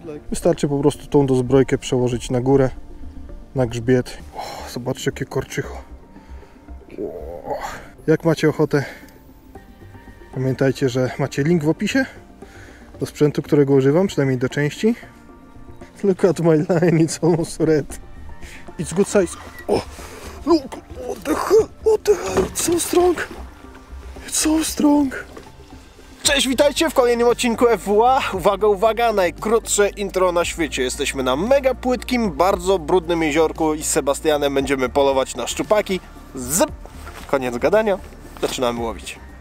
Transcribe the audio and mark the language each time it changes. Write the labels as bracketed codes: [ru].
[pl] Wystarczy po prostu tą dozbrojkę przełożyć na górę, na grzbiet. O, zobaczcie, jakie korczycho. Jak macie ochotę, pamiętajcie, że macie link w opisie do sprzętu, którego używam, przynajmniej do części. [en] Look at my line, it's almost red. It's good size. Look, what the hell, it's so strong. It's so strong. [pl] Cześć, witajcie w kolejnym odcinku FWA. Uwaga, uwaga, najkrótsze intro na świecie. Jesteśmy na mega płytkim, bardzo brudnym jeziorku i z Sebastianem będziemy polować na szczupaki. Zyp. Koniec gadania, zaczynamy łowić.